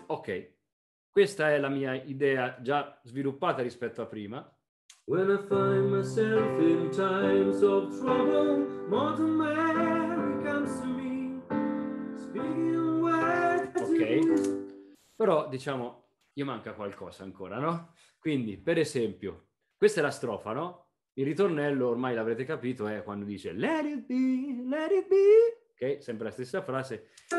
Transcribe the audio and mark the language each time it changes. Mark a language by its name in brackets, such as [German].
[Italian] Ok, questa è la mia idea già sviluppata rispetto a prima. [English] When I find myself in times of trouble, Mother Mary comes to me, speaking words. [Italian] Ok, però diciamo, io manca qualcosa ancora, no? Quindi, per esempio, questa è la strofa, no? Il ritornello, ormai l'avrete capito, è quando dice [English] let it be, let it be. [Italian] Ok, sempre la stessa frase.